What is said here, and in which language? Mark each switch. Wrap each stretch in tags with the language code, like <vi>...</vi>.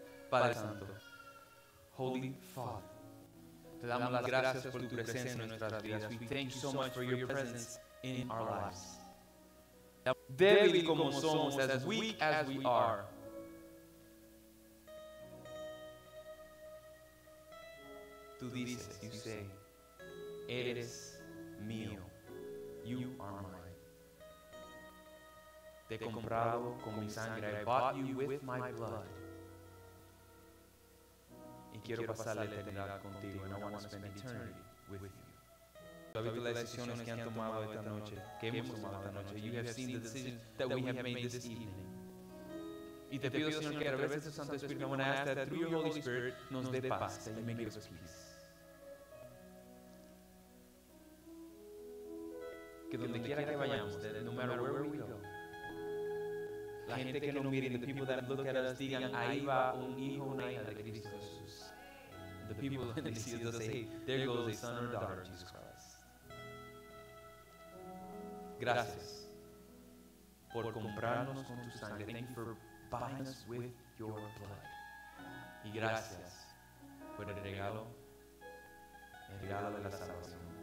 <es>Padre Santo,</es> <en>Holy Father,</en> <es>te damos las gracias por tu presencia en nuestras vidas.</es> <en>We thank you so much for your presence in our lives.</en> <es>Débil como somos,</es> <en>as weak as we are,</en> <es>tú dices,</es> <en>you say,</en> <es>eres mío,</es> <en>you are mine.</en> <es>Te he comprado con mi sangre,</es> <en>I bought you with my blood.</en> <es>Y quiero pasar la eternidad contigo,</es> <en>and I want to spend eternity with you.</en> <es>Yo habito las decisiones que han tomado esta noche, que hemos tomado esta noche.</es> <en>You have seen the decisions that we have made this evening.</en> <es>Y te pido, Señor, que a través de tu Santo Espíritu,</es> <en>I want to ask that through your Holy Spirit,</en> <es>nos dé paz,</es> <en>that you may give us peace.</en> <es>Que donde quiera que vayamos,</es> <en>no matter where we go,</en> <es>la gente que nos mire,</es> <en>the people that look at us,</en> <es>digan, ahí va un hijo, una hija de Cristo Jesús.</es> <en>The people when they see us, they'll say, hey, there goes a son or a daughter of Jesus Christ.</en> <es>Gracias por comprarnos con tu sangre.</es> <en>Thank you for buying us with your blood.</en> <es>Y gracias por el regalo de la salvación.</es>